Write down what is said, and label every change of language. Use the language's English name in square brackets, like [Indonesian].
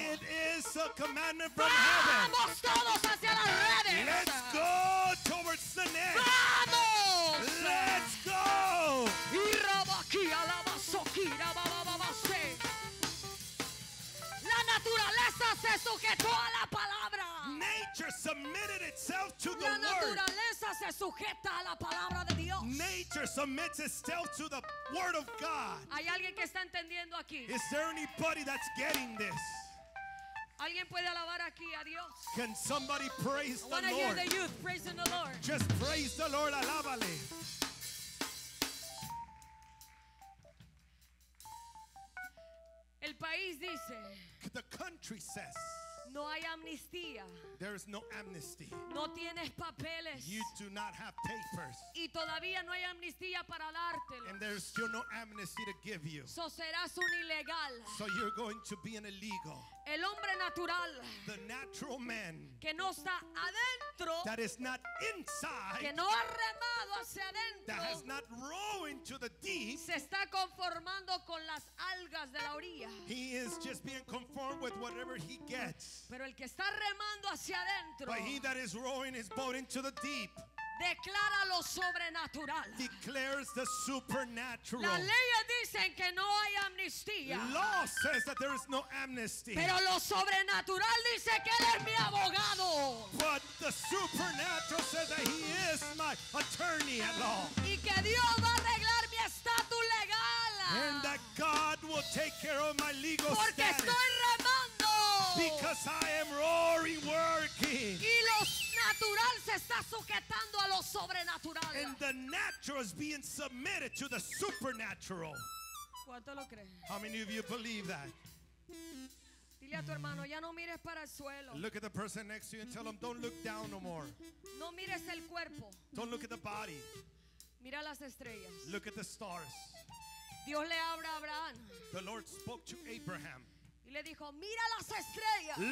[English] It is a commandment from heaven. [Spanish] Vamos todos hacia las redes. [English] Let's go towards the net. [Spanish] Vamos. [English] Let's go. Y rabaki alabasoki rabababase. [Spanish] La naturaleza se sujetó a la palabra. [English] Nature submitted itself to the word. [Spanish] La naturaleza se sujeta a la palabra de Dios. [English] Nature submits itself to the word of God. [Spanish] ¿Hay alguien que está entendiendo aquí? [English] Is there anybody that's getting this? [Spanish] ¿Alguien puede alabar aquí a Dios? [English] Can somebody praise the Lord? I want to hear the youth praising the Lord. Just praise the Lord, [Spanish] alábale. El país dice, [English] the country says, [Spanish] no hay amnistía. [English] There is no amnesty. [Spanish] No tienes papeles. [English] You do not have papers. [Spanish] Y todavía no hay amnistía para dártelo. [English] And there is still no amnesty to give you. [Spanish] So serás un ilegal. [English] So you're going to be an illegal. [Spanish] El hombre natural, [English] the natural man, [Spanish] que no está adentro, [English] that is not inside, [Spanish] que no ha remado hacia adentro, [English] that has not rowed into the deep, [Spanish] se está conformando con las algas de la orilla. [English] He is just being conformed with whatever he gets. [Spanish] Pero el que está remando hacia adentro, [English] but he that is rowing his boat into the deep, [Spanish] declara lo sobrenatural. [English] Declares the supernatural. [Spanish] Las leyes dicen que no hay amnistía. [English] Law says that there is no amnesty. [Spanish] Pero lo sobrenatural dice que él es mi abogado. [English] But the supernatural says that he is my attorney at law. [Spanish] Y que Dios va a arreglar mi estatus legal. [English] And that God will take care of my legal status. [Spanish] Porque estoy remando. [English] Because I am roaring, working. [Spanish] Y lo natural se está sujetando a lo sobrenatural. [English] And the natural is being submitted to the supernatural. [Spanish] ¿Cuánto lo creen? [English] How many of you believe that? [Spanish] Dile a tu hermano, ya no mires para el suelo. [English] Look at the person next to you and tell them, don't look down no more. [Spanish] No mires el cuerpo. [English] Don't look at the body. [Spanish] Mira las estrellas. [English] Look at the stars. [Spanish] Dios le habla a Abraham. [English] The Lord spoke to Abraham. [Spanish] Y le dijo, mira las estrellas.